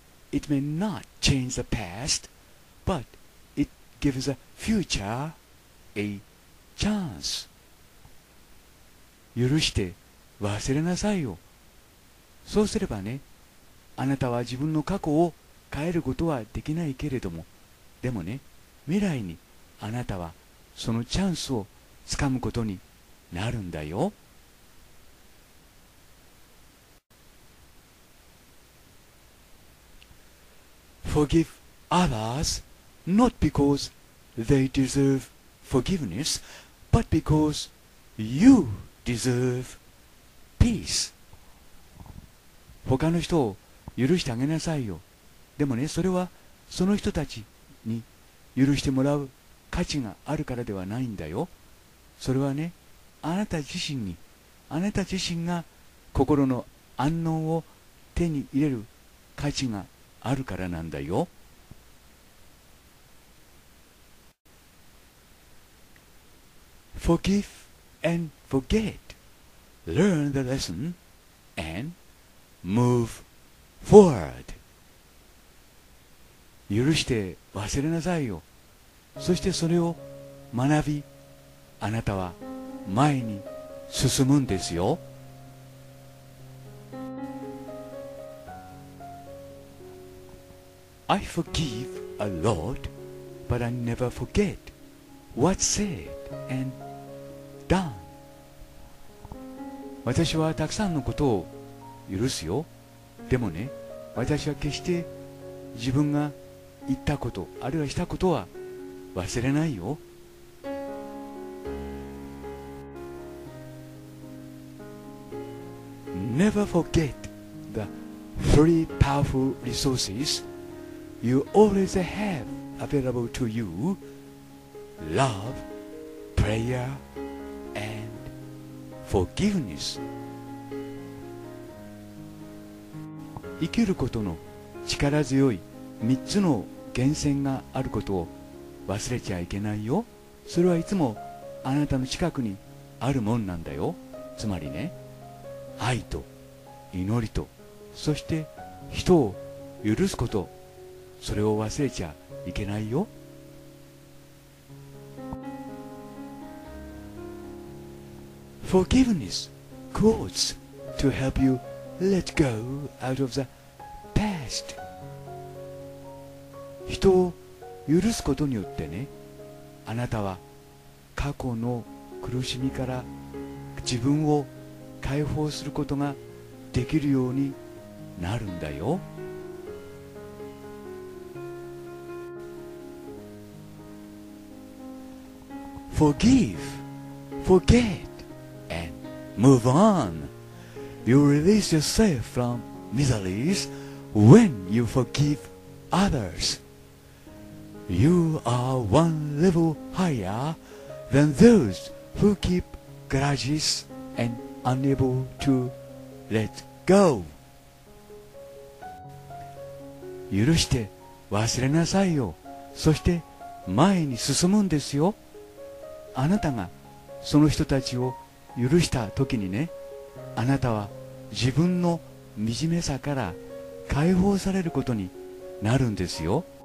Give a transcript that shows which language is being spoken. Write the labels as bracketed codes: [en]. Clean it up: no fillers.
[en] It may not change the past, but it gives a future a chance. [ja] 許して忘れなさいよ。そうすればね、あなたは自分の過去を変えることはできないけれども、でもね、未来にあなたはそのチャンスをつかむことになるんだよ。 [en] forgive others not because they deserve forgiveness, but because you deserve peace. [ja] 他の人を許してあげなさいよ。でもね、それはその人たちに許してもらう価値があるからではないんだよ。それはね、あなた自身が心の安穏を手に入れる価値があるからなんだよ。 [en] Forgive and forget. Learn the lesson and move forward. [ja] 許して忘れなさいよ。そしてそれを学び、あなたは前に進むんですよ。 [en] I forgive a lot, but I never forget what's said and done. [ja] 私はたくさんのことを許すよ。でもね、私は決して自分が言ったこと、あるいはしたことは忘れないよ。 [en] Never forget the three powerful resources you always have available to you: love, prayer, and forgiveness. [ja] 生きることの力強い三つの源泉があることを忘れちゃいけないよ。それはいつもあなたの近くにあるもんなんだよ。つまりね、愛と祈りと、そして人を許すこと、それを忘れちゃいけないよ。 [en] Forgiveness quotes to help you let go out of the past. [ja] 人を許すことによってね、あなたは過去の苦しみから自分を解放することができるようになるんだよ。 [en] Forgive, forget, and move on. You release yourself from miseries when you forgive others. You are one level higher than those who keep grudges andUnable to let go. [ja] 許して忘れなさいよ。そして前に進むんですよ。あなたがその人たちを許した時にね、あなたは自分の惨めさから解放されることになるんですよ。